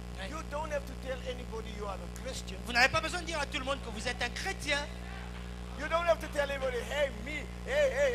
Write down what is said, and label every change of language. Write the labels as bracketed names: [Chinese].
[English] You don't have to tell anybody you are a Christian. [French] Vous n'avez pas besoin de dire à tout le monde que vous êtes un chrétien. [English] You don't have to tell anybody, hey me, hey.